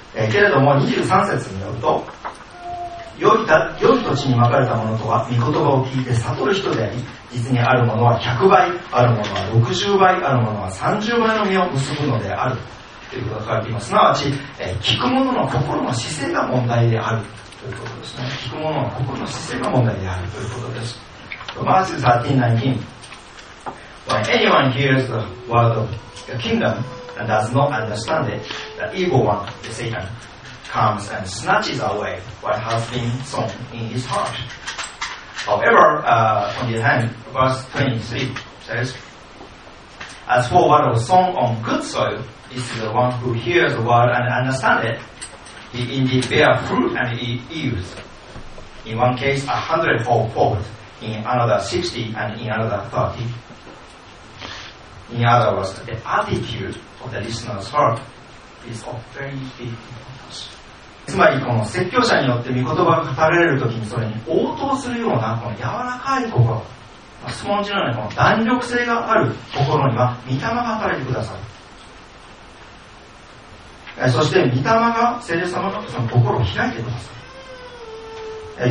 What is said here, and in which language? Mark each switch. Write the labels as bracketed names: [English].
[Japanese] けれども23節によると、良い土地にまかれたものとは御言葉を聞いて悟る人であり、実にあるものは100倍、あるものは60倍、あるものは30倍の実を結ぶのであるということが書いています。すなわち、聞く者の心の姿勢が問題であるということですね。聞く者の心の姿勢が問題であるということです。 [English] マーシュ 13:19 When anyone hears the word of the kingdom and does not understand it, the evil one, the Satan, comes and snatches away what has been sown in his heart. However, on the other hand, verse 23 says, as for what was sown on good soil, it is the one who hears the word and understands it. He indeed bears fruit and he yields. In one case, a hundredfold, in another 60, and in another 30. In other words, the attitude of the listener's heart is of very big importance. [Japanese] つまりこの説教者によって御言葉が語られるときにそれに応答するようなこの柔らかい心、スポンジのようなこの弾力性がある心には御霊が働いてください。そして御霊が聖霊様のその心を開いてください。